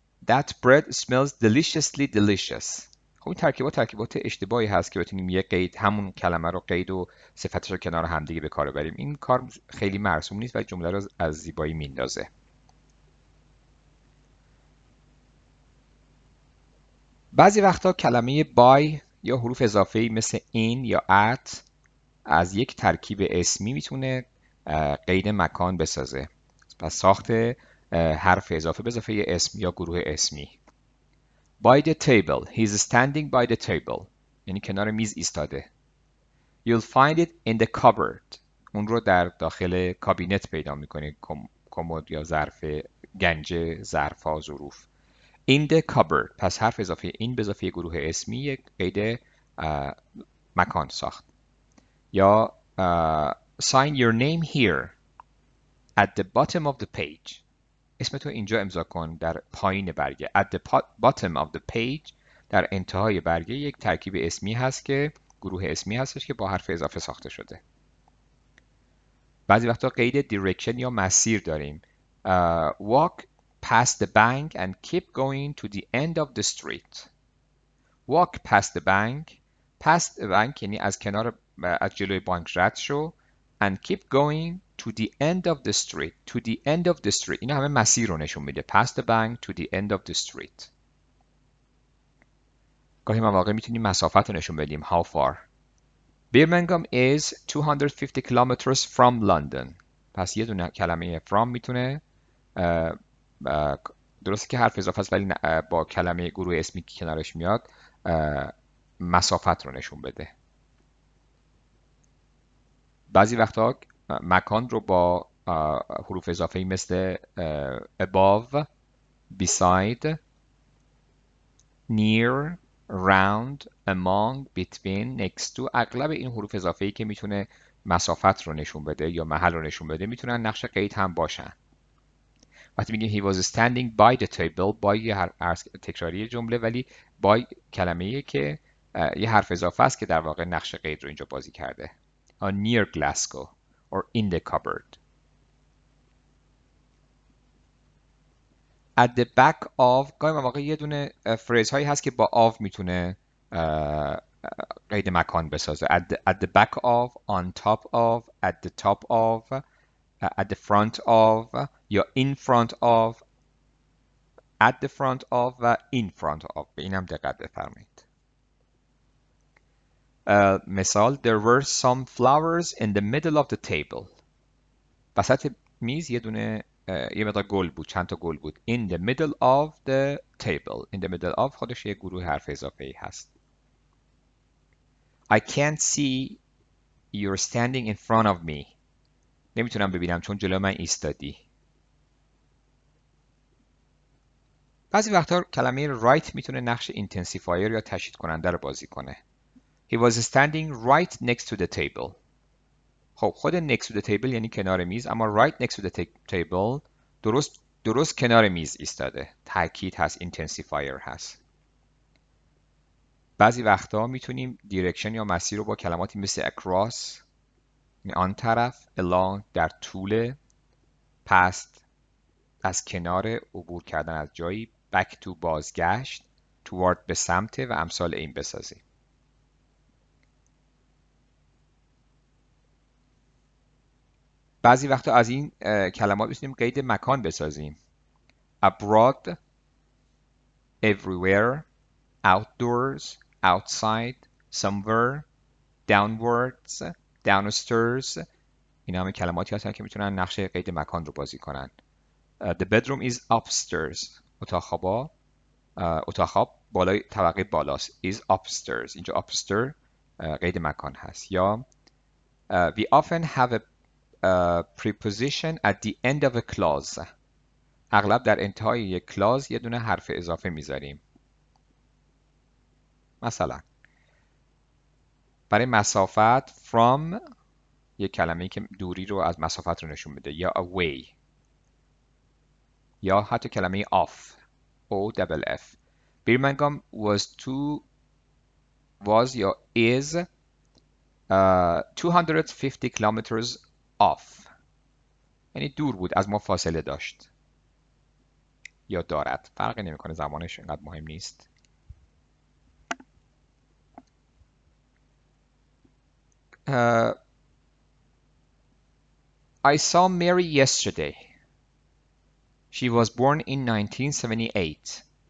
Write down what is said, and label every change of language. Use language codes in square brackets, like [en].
[en] That bread smells deliciously delicious. [fa] خب این ترکیبات اشتباهی هست که بتونیم یه قید، همون کلمه رو قید و صفتش رو کنار هم دیگه به کار بریم. این کار خیلی مرسوم نیست و جمله رو از زیبایی میندازه. بعضی وقتا کلمه by یا حروف اضافه مثل in یا at از یک ترکیب اسمی میتونه قید مکان بسازه. و ساخت حرف اضافه بزافه یه اسم یا گروه اسمی. [en] By the table. He's standing by the table. [fa] یعنی کنار میز ایستاده. [en] You'll find it in the cupboard. [fa] اون رو در داخل کابینت پیدا میکنی. کمد یا ظرف گنج ظرف ها ظروف. [en] In the cupboard. [fa] پس حرف اضافه این بزافه یه گروه اسمی یک قید مکان ساخت. [en] یا sign your name here. At the bottom of the page. [fa] اسمتو اینجا امضا کن در پایین برگه. [en] At the bottom of the page. [fa] در انتهای برگه یک ترکیب اسمی هست که گروه اسمی هستش که با حرف اضافه ساخته شده. بعضی وقتا قید direction یا مسیر داریم. [en] Walk past the bank and keep going to the end of the street. Walk past the bank. Past the bank [fa] یعنی از کنار از جلوی بانک رد شو. [en] And keep going to the end of the street. To the end of the street. [fa] این همه مسیر رو نشون میده. [en] Past the bank to the end of the street. [fa] گاهی ما واقعا میتونیم مسافت رو نشون بدیم. [en] How far? Birmingham is 250 kilometers from London. [fa] پس یه دونه کلمه from میتونه درسته که حرف اضافه است، ولی با کلمه گروه اسمی که کنارش میاد مسافت رو نشون بده. بعضی وقتها مکان رو با حروف اضافه مثل [en] above, beside, near, round, among, between, next to، [fa] اغلب این حروف اضافه که میتونه مسافت رو نشون بده یا محل رو نشون بده میتونن نقش قید هم باشن. وقتی میگیم [en] he was standing by the table، [fa] by یه حرف تکراری جمله، ولی by کلمه ایه که یه حرف اضافه است که در واقع نقش قید رو اینجا بازی کرده. [en] On near Glasgow or in the cupboard. At the back of، [fa] گاهی مواقع یه دونه فریز هایی هست که با of میتونه قید مکان بسازه. [en] At the back of، on top of، at the top of، at the front of، یا in front of، at the front of و in front of. [fa] به اینم دقت بفرمایید. [en] مثال: there were some flowers in the middle of the table. [fa] وسط میز یه دونه یه مقدار گل بود، چند تا گل بود. [en] In the middle of the table. In the middle of [fa] خودش یه گروه حرف اضافه ای هست. [en] I can't see you're standing in front of me. [fa] نمیتونم ببینم چون جلو من ایستادی. بعضی وقتا کلمه right میتونه نقش intensifier یا تشدید کننده رو بازی کنه. [en] He was standing right next to the table. [fa] خب خود [en] next to the table [fa] یعنی کنار میز، اما [en] right next to the table [fa] درست کنار میز ایستاده. تاکید هست، intensifier هست. بعضی وقتا میتونیم direction یا مسیر رو با کلماتی مثل across، آن طرف، along، در طول، past، از کنار، عبور کردن از جایی، back to، بازگشت، toward، به سمت، و امثال این بسازیم. بعضی وقتا از این کلمات میتونیم قید مکان بسازیم. [en] abroad، everywhere، outdoors، outside، somewhere، downwards، downstairs. [fa] این همه کلماتی هستن که میتونن نقش قید مکان رو بازی کنن. [en] The bedroom is upstairs. [fa] اتاق خواب بالای طبقه بالاست. [en] Is upstairs. [fa] اینجا upstairs قید مکان هست. [en] یا we often have a preposition at the end of a clause. [fa] اغلب در انتهای یک clause یه دونه حرف اضافه میذاریم. مثلا برای مسافت from یه کلمه‌ای که دوری رو از مسافت رو نشون میده، یا away، یا حتی کلمه off، [en] O double F. Birmingham was was یا is 250 kilometers off. [fa] یعنی دور بود، از ما فاصله داشت یا دارد، فرقی نمیکنه، زمانش اینقدر مهم نیست. [en] I saw Mary yesterday. She was born in 1978.